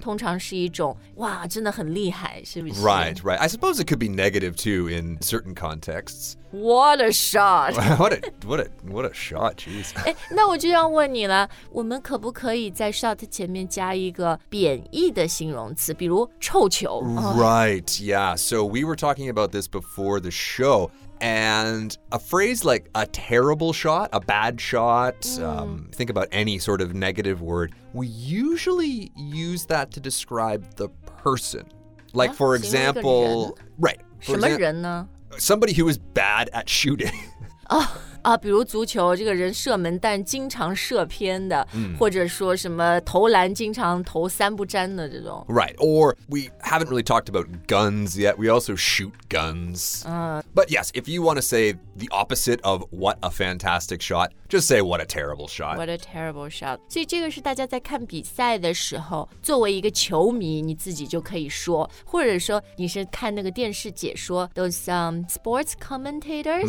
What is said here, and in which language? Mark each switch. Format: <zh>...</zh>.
<zh>通常是一种哇真的很厉害是不是</zh> <en>Right, right. I suppose it could be negative too in certain contexts. What a shot. what a shot, jeez.</en> <zh>诶那我就要问你了我们可不可以在 shot 前面加一个贬义的形容词比如臭球</zh> <en>Right,、oh. yeah. So we were talking about this before the show. And a phrase like a terrible shot, a bad shot,、think about any sort of negative word, we usually use that to describe the person. Like, for example...</en> <zh>形容一个人什么人呢</zh> <en>Somebody who is bad at shooting.</en> <zh>比如足球这个人射门但经常射偏的、 mm. 或者说什么投篮经常投三不沾的这种</zh> <en>Right, or we haven't really talked about guns yet We also shoot guns、But yes, if you want to say the opposite of what a fantastic shot Just say what a terrible shot What a terrible shot</en> <zh>所以这个是大家在看比赛的时候作为一个球迷你自己就可以说或者说你是看那个电视解说</zh> <en>Those、sports commentators、</en>